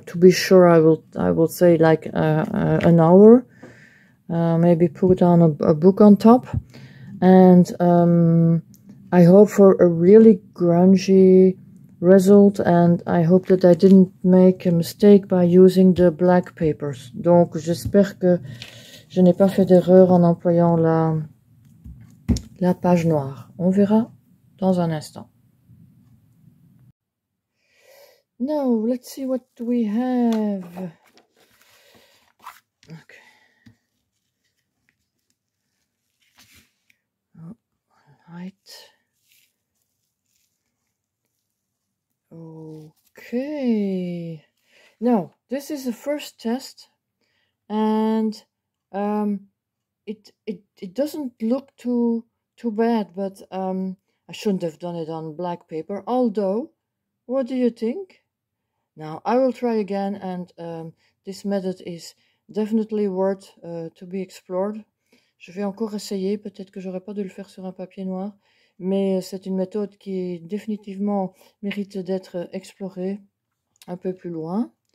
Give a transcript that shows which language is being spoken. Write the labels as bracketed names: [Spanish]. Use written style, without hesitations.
[English] To be sure, I will say like an hour. Maybe put on a book on top, and I hope for a really grungy result, and I hope that I didn't make a mistake by using the black papers. [French] Donc j'espère que je n'ai pas fait d'erreur en employant la page noire. On verra dans un instant. [English] Now, let's see what we have. Okay. Now, this is the first test, and it doesn't look too bad, but I shouldn't have done it on black paper. Although, what do you think? Now, I will try again, and this method is definitely worth to be explored. [French] Je vais encore essayer, peut-être que j'aurais pas dû le faire sur un papier noir, mais c'est une méthode qui définitivement mérite d'être explorée un peu plus loin.